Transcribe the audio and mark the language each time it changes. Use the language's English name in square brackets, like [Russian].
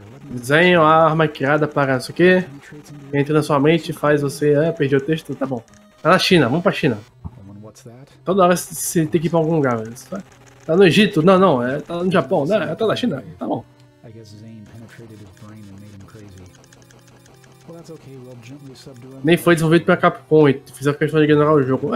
[Portuguese] Desenho a arma criada para isso aqui. Entra na sua mente e faz você. Ah, perdi o texto? Tá bom. Tá na China, vamos pra China. Toda hora você tem que ir pra algum lugar, velho. Tá no Egito? Não, não, é, tá no Japão, né? É, tá na China, tá bom. [English] I guess Zane penetrated his brain and made him crazy. Well, that's okay. We'll gently subdue him. [Portuguese] Nem foi desenvolvido pra Capcom e fizeram questão de ignorar o jogo.